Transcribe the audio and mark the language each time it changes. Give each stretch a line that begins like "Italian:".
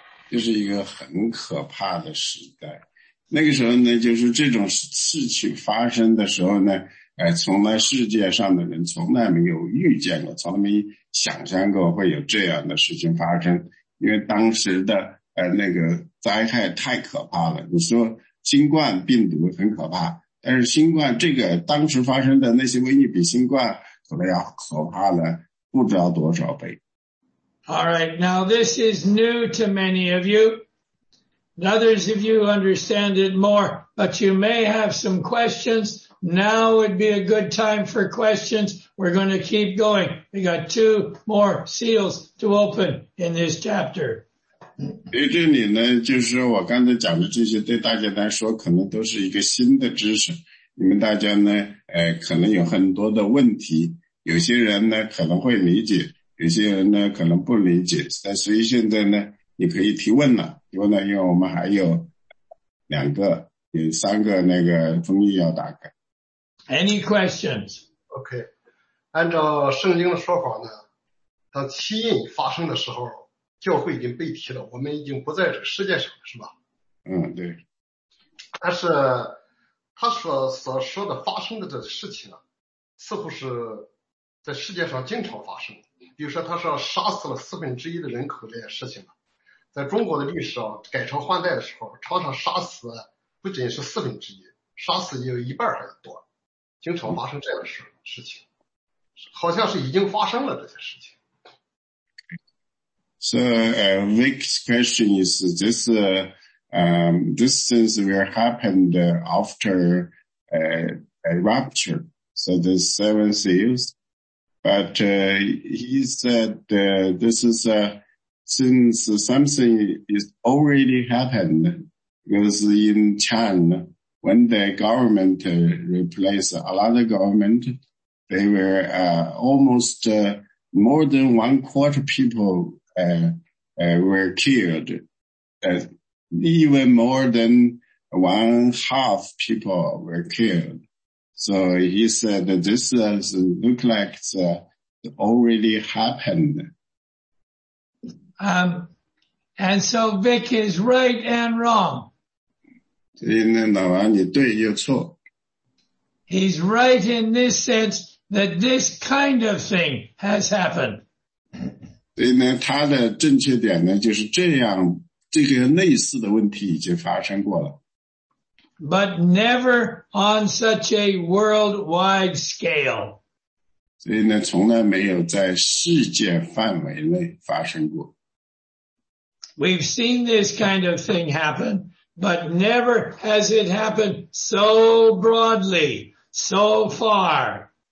Chinese: 这是一个很可怕的时代。那个时候呢，就是这种事情发生的时候呢，从来世界上的人从来没有遇见过，从来没想象过会有这样的事情发生，因为当时的那个灾害太可怕了。你说新冠病毒很可怕，但是新冠这个当时发生的那些瘟疫比新冠可能要可怕了不知道多少倍。
English: All right, now this is new to many of you. Others of you understand it more, but you may have some questions. Now would be a good time for questions. We're going to keep going. We got 2 more seals to open in this chapter.
Chinese: 对这里呢，就是我刚才讲的这些，对大家来说可能都是一个新的知识。你们大家呢，可能有很多的问题。有些人呢可能会理解，有些人呢可能不理解。但所以现在呢，你可以提问了。提问呢，因为我们还有两个，有三个那个封印要打开。
English: Any questions? Okay.
Chinese: 按照圣经的说法呢，它七印发生的时候，教会已经被提了，我们已经不在这个世界上了，是吧？嗯，对。但是他所说的发生的这个事情啊，似乎是在世界上经常发生的。比如说他说杀死了四分之一的人口这件事情啊，在中国的历史啊，改朝换代的时候，常常杀死不仅是四分之一，杀死也有一半还多。经常发生这样的事情，好像是已经发生了这些事情。
English: So, Vic's question is, this since we happened after a rapture, so the seven seals, but he said this is since something is already happened, because in China,when the government replaced a lot of government, they were almost more than one quarter people were killed even more than one half people were killed. So he said that this look like it already happened. And so Vic is right and wrong.
Chinese: 老王你对又错。
English: He's right in this sense that this kind of thing has happened.
Chinese: 所以呢，他的正确点呢，就是这样，这个类似的问题已经发生过了。
English: But never on such a worldwide scale.
Chinese: 所以呢，从来没有在世界范围内发生过。
English: We've seen this kind of thing happen, but never has it happened so broadly, so far.